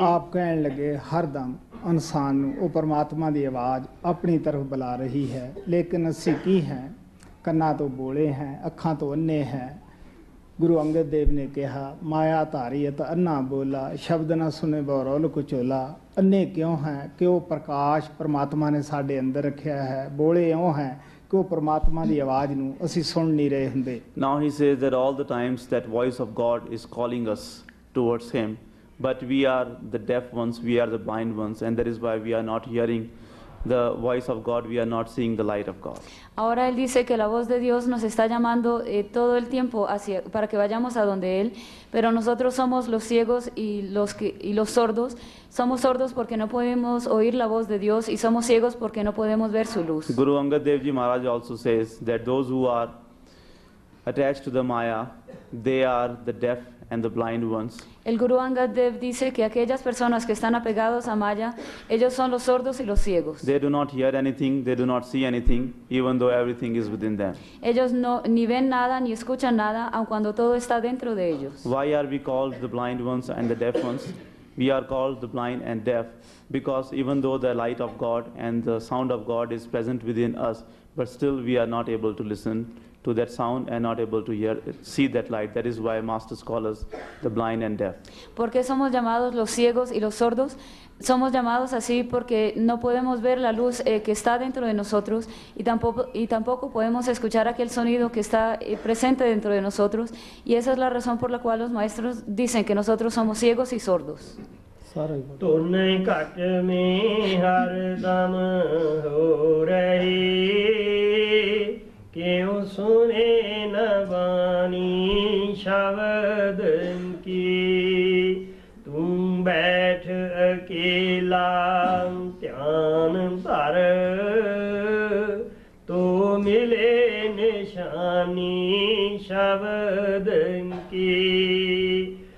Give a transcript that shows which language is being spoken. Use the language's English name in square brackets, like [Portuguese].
[Hindi] आप कहने लगे हर दम [Punjabi] ਇਨਸਾਨ ਨੂੰ ਉਹ ਪਰਮਾਤਮਾ ਦੀ ਆਵਾਜ਼ ਆਪਣੀ ਤਰਫ ਬੁਲਾ ਰਹੀ ਹੈ, ਲੇਕਿਨ ਅਸੀਂ ਕੀ ਹੈ? ਕੰਨਾਂ ਤੋਂ ਬੋਲੇ ਹੈ, ਅੱਖਾਂ ਤੋਂ ਅੰਨੇ ਹੈ, ਗੁਰੂ ਅੰਗਦ ਦੇਵ ਨੇ ਕਿਹਾ, ਮਾਇਆ ਧਾਰੀਅਤ ਅੰਨਾ ਬੋਲਾ, ਸ਼ਬਦ ਨਾ ਸੁਣੇ ਬਹੁ ਰੌਲ ਕੁਚੋਲਾ। ਅੰਨੇ ਕਿਉਂ ਹੈ? ਕਿ ਉਹ ਪ੍ਰਕਾਸ਼ ਪਰਮਾਤਮਾ ਨੇ ਸਾਡੇ ਅੰਦਰ ਰੱਖਿਆ ਹੈ। ਬੋਲੇ ਇਉਂ ਹੈ ਕਿ ਉਹ ਪਰਮਾਤਮਾ ਦੀ ਆਵਾਜ਼ ਨੂੰ ਅਸੀਂ ਸੁਣ ਨਹੀਂ ਰਹੇ ਹੁੰਦੇ। [English] Now he says that all the times that voice of God is calling us towards him, but we are the deaf ones, we are the blind ones, and that is why we are not hearing the voice of God, we are not seeing the light of God. [Spanish] Ahora él dice que la voz de Dios nos está llamando todo el tiempo hacia, para que vayamos a donde él, pero nosotros somos los ciegos y los sordos. Somos sordos porque no podemos oír la voz de Dios y somos ciegos porque no podemos ver su luz. [English] Guru Angad Dev Ji Maharaj also says that those who are attached to the Maya, they are the deaf and the blind ones. [Spanish] El Guru Angad Dev dice que aquellas personas que están apegados a Maya, ellos son los sordos y los ciegos. [English] They do not hear anything, they do not see anything, even though everything is within them. [Spanish] Ellos no ni ven nada ni escuchan nada, aun cuando todo está dentro de ellos. [English] Why are we called the blind ones and the deaf ones? We are called the blind and deaf because even though the light of God and the sound of God is present within us, but still we are not able to listen to that sound and not able to hear, see that light. That is why masters call us the blind and deaf. [Spanish] ¿Por qué somos llamados los ciegos y los sordos? Somos llamados así porque no podemos ver la luz que está dentro de nosotros y tampoco podemos escuchar aquel sonido que está presente dentro de nosotros, y esa es la razón por la cual los maestros dicen que nosotros somos ciegos y sordos. [Punjabi] ਧੁਨ ਘਟ ਮੀ ਹਰ ਦਮ ਹੋ ਰਹੀ, ਕਿਉਂ ਸੁਣੇ ਨ ਬਾਣੀ ਸ਼ਬਦ ਕੀ। ਤੂੰ ਬੈਠ ਅਕੇਲਾ ਧਿਆਨ ਭਰ, ਤੋ ਮਿਲੇ ਨਿਸ਼ਾਨੀ ਸ਼ਬਦ ਕੀ।